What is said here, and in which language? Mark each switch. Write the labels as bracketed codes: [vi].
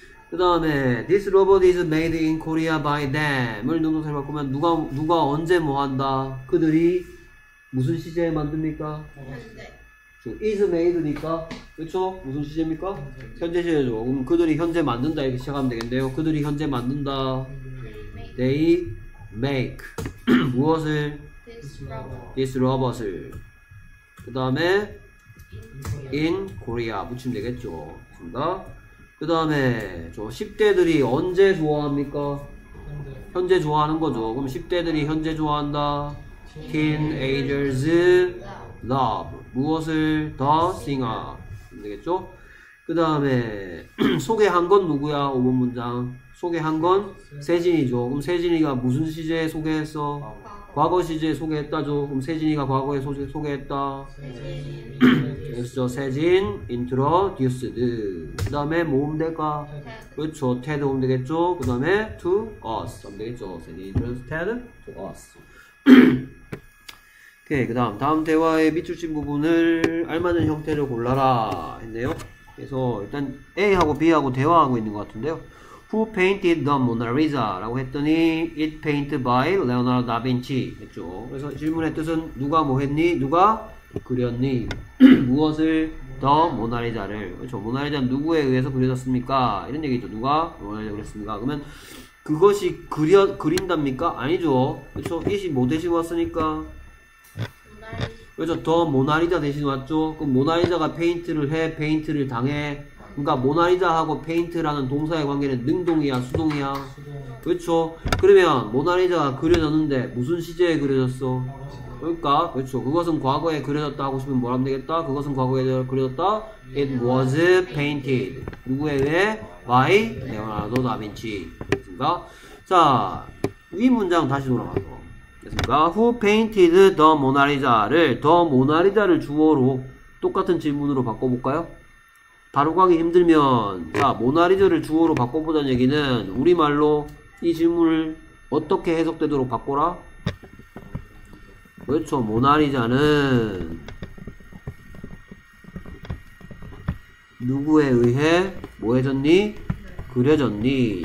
[ko] 그 다음에 [en] This robot is made in Korea by them [ko] 을 능동태로 바꾸면 누가 언제 뭐 한다? 그들이 무슨 시제에 만듭니까? 그렇죠. [en] Is made [ko] 니까 그렇죠? 무슨 시제입니까? 현재 시제죠. 그럼 그들이 현재 만든다 이렇게 시작하면 되겠는데요. 그들이 현재 만든다. [en] They make [ko] 무엇을? This robot을. 그 다음에 in Korea 붙이면 되겠죠. 좋습니다. 그 다음에 저 10대들이 언제 좋아합니까? 현재 좋아하는 거죠. 그럼 10대들이 현재 좋아한다. [en] Teenagers love [ko] 무엇을? [en] The singer [ko] 되겠죠? 그 다음에 소개한 건 누구야? 5번 문장 소개한 건 세진이죠. 그럼 세진이가 무슨 시제에 소개했어? 과거 시제에 소개했다죠. 그럼 세진이가 과거에 소개했다. 그래서 세진 introduced. 그다음에 뭐 오면 될까? 그렇죠. Ted 오면 되겠죠. 그다음에 to us 하면 되겠죠. [en] 세진 introduced Ted to us. [ko] 오케이. 그다음 대화의 밑줄 친 부분을 알맞은 형태로 골라라 했네요. 그래서 일단 A하고 B하고 대화하고 있는 것 같은데요. [en] Who painted the Mona Lisa? [ko] 라고 했더니 [en] It painted by Leonardo da Vinci 했죠. [ko] 그래서 질문의 뜻은 누가 뭐 했니? 누가 그렸니? 무엇을? The 모나리자를. 그렇죠. 모나리자는 누구에 의해서 그려졌습니까? 이런 얘기죠. 누가 모나리자를 그렸습니까? 그러면 그것이 그린답니까? 아니죠. 그렇죠. It이 뭐 대신 왔으니까. 그렇죠. The 모나리자 대신 왔죠. 그럼 모나리자가 페인트를 해, 페인트를 당해. 그러니까 모나리자하고 페인트라는 동사의 관계는 능동이야, 수동이야? 수동. 그렇죠. 그러면 모나리자가 그려졌는데 무슨 시제에 그려졌어? 그러니까 그렇죠. 그것은 과거에 그려졌다 하고 싶으면 뭐라 하면 되겠다? 그것은 과거에 그려졌다. [en] It was painted. [ko] 누구에 의해? [en] By Leonardo da Vinci. [ko] 그렇습니까? 자, 이 문장 다시 돌아가서. 됐습니까? [en] Who painted the Mona Lisa를 the Mona Lisa를 [ko] 주어로 똑같은 질문으로 바꿔볼까요? 바로가기 힘들면 자 Mona Lisa를 주어로 바꿔보자는 얘기는 우리말로 이 질문을 어떻게 해석되도록 바꿔라? 그렇죠. Mona Lisa는 누구에 의해 뭐해졌니? 그려졌니?